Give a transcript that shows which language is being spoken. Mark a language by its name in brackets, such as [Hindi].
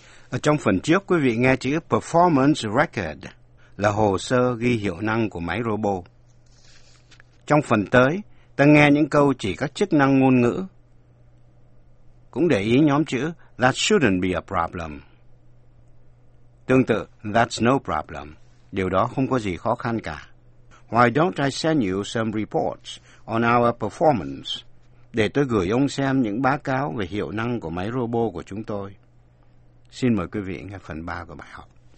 [Vietnamese] Ở trong phần trước, quý vị nghe chữ performance record. là hồ sơ ghi hiệu năng của máy robot. Trong phần tới, ta nghe những câu chỉ các chức năng ngôn ngữ. Cũng để ý nhóm chữ [English] that shouldn't be a problem. [Vietnamese] Tương tự, [English] that's no problem. [Vietnamese] Điều đó không có gì khó khăn cả. [English] Why don't I send you some reports on our performance? [Vietnamese] Để tôi gửi ông xem những báo cáo về hiệu năng của máy robot của chúng tôi. Xin mời quý vị nghe phần 3 của bài học.